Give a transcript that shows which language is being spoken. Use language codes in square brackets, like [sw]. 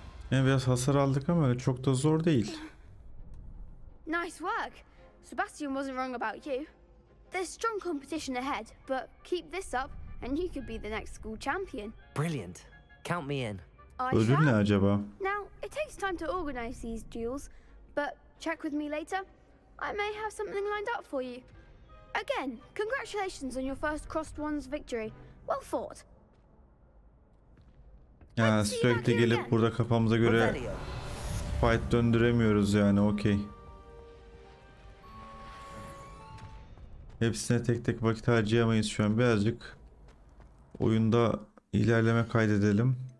[tr] Yani biraz hasar aldık ama öyle çok da zor değil. [en] Nice work. Sebastian wasn't wrong about you. There's strong competition ahead, but keep this up and you could be the next school champion. Brilliant. Count me in. [tr] Ödül ne acaba? [en] Now, it takes time to organize these duels, but check with me later. I may have something lined up for you. Again, congratulations on your first crossed ones victory. Well fought. [tr] Ya sürekli gelip burada kafamıza göre fight döndüremiyoruz yani, okey. Hepsine tek tek vakit harcayamayız şu an, birazcık oyunda ilerleme kaydedelim.